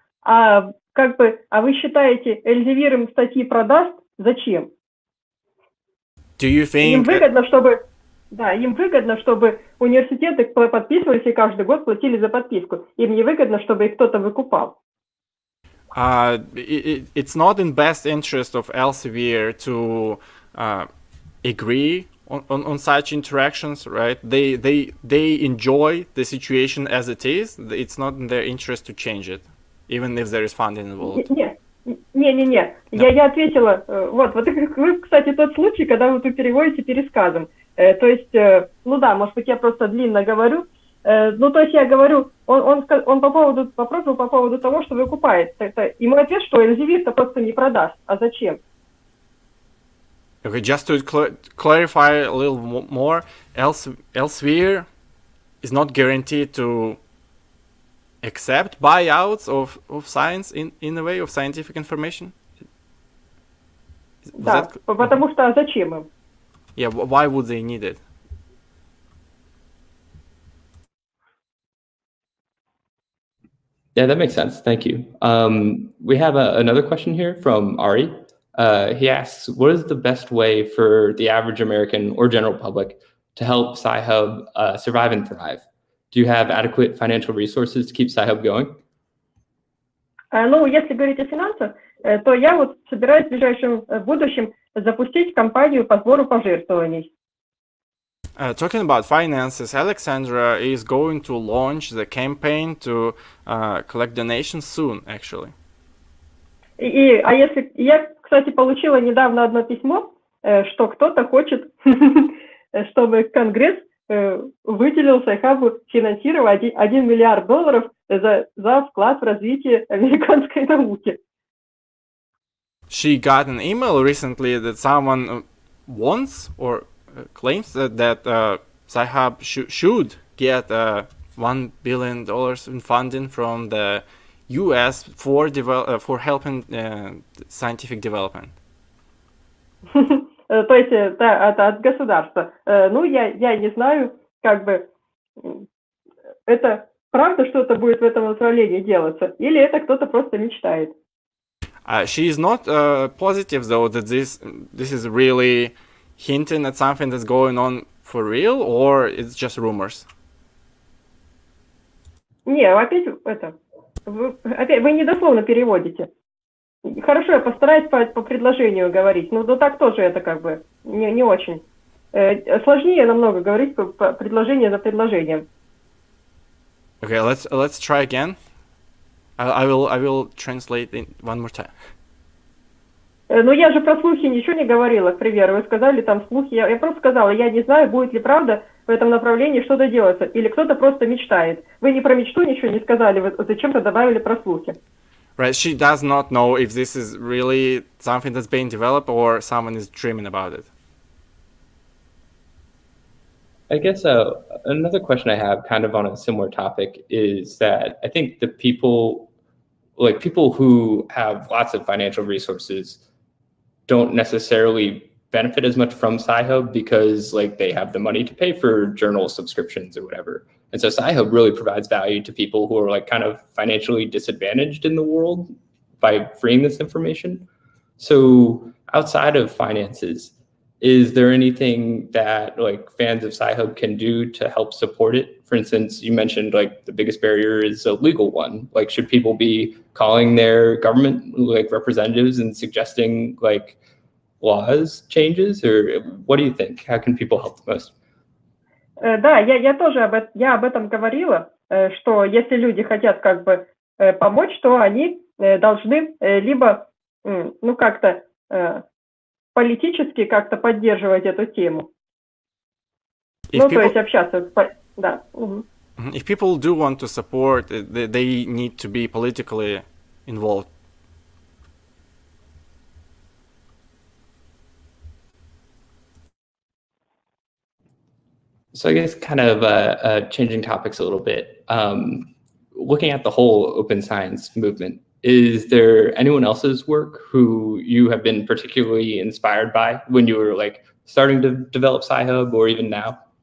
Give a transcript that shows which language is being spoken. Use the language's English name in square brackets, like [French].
[Russian] А как бы, а вы считаете, Эльзевир им статьи продаст? Зачем? [English] Do you think... [Russian] Им выгодно, чтобы... Да, им выгодно, чтобы университеты подписывались и каждый год платили за подписку. Им не выгодно, чтобы их кто-то выкупал. [English] It's not in best interest of Elsevier to agree on such interactions, right? They enjoy the situation as it is. It's not in their interest to change it, even if there is funding involved. [Russian] Не-не-не, я ответила, вот вы, кстати, тот случай, когда вы тут переводите пересказом, то есть, ну да, может быть, я просто длинно говорю, ну, то есть я говорю, он по поводу, вопросил по поводу того, что выкупает, и мой ответ, что Эльзевир-то просто не продаст, а зачем? [English] Okay, just to clarify a little more, Elsevier is not guaranteed to... accept buyouts of science in a way of scientific information? [Russian] Да, потому что зачем им? [English] Yeah, why would they need it? Yeah, that makes sense. Thank you. We have another question here from Ari. He asks, what is the best way for the average American or general public to help Sci-Hub survive and thrive? Do you have adequate financial resources to keep Sci-Hub going? [Russian] Ну, если говорить о финансах, то я вот собираюсь в ближайшем будущем запустить компанию по сбору пожертвований. [English] Talking about finances, Alexandra is going to launch the campaign to collect donations soon, actually. [Russian] Я, кстати, получила недавно одно письмо, что кто-то хочет, чтобы Конгресс выделил Sci-Hub финансировать $1 миллиард за вклад в развитие американской науки. [English] She got an email recently that someone wants or claims that Sci-Hub should get $1 billion in funding from the U.S. For helping scientific development. [Russian] То есть, да, это от государства. Ну, я не знаю, как бы, это правда что-то будет в этом направлении делаться, или это кто-то просто мечтает. [English] She is not positive, though, that this is really hinting at something that's going on for real, or it's just rumors. [Russian] Не, опять это... Вы недословно переводите. Хорошо, я постараюсь по предложению говорить, но так тоже это как бы не очень. Сложнее намного говорить по предложению за предложением. [English] Okay, let's try again. I will translate it one more time. [Russian] Ну я же про слухи ничего не говорила, к примеру. Вы сказали там слухи, я просто сказала, я не знаю, будет ли правда в этом направлении что-то делается, или кто-то просто мечтает. Вы не про мечту ничего не сказали, вы зачем-то добавили про слухи. [English] Right, she does not know if this is really something that's being developed or someone is dreaming about it. I guess another question I have, kind of on a similar topic, is that I think the people who have lots of financial resources don't necessarily benefit as much from Sci-Hub because like they have the money to pay for journal subscriptions or whatever. And so Sci-Hub really provides value to people who are like kind of financially disadvantaged in the world by freeing this information. So outside of finances, is there anything that like fans of Sci-Hub can do to help support it? For instance, you mentioned like the biggest barrier is a legal one. Like, should people be calling their government like representatives and suggesting like laws changes, or what do you think? How can people help the most? [Russian] Да, я тоже об этом говорила, что если люди хотят как бы помочь, то они должны либо ну как-то политически как-то поддерживать эту тему. [English] If [Russian] ну, [English] people... [Russian] то есть общаться. Да. Uh-huh. [English] If people do want to support, they need to be politically involved. So I guess kind of changing topics a little bit, looking at the whole open science movement, is there anyone else's work who you have been particularly inspired by when you were like starting to develop Sci-Hub or even now?